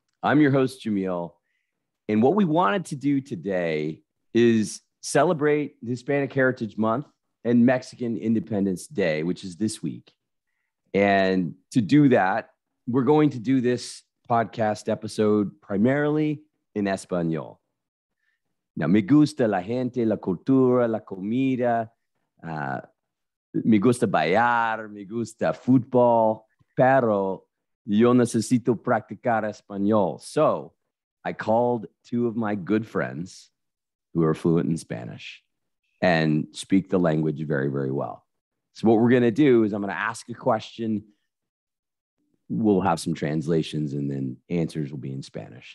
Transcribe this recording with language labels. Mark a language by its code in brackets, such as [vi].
[en] I'm your host, Jamil. And what we wanted to do today is celebrate Hispanic Heritage Month and Mexican Independence Day, which is this week. And to do that, we're going to do this podcast episode primarily in Español. Now, [es] me gusta la gente, la cultura, la comida. Me gusta bailar, me gusta football, pero yo necesito practicar español. [en] So I called two of my good friends who are fluent in Spanish and speak the language very, very well. So what we're going to do is I'm going to ask a question. We'll have some translations and then answers will be in Spanish.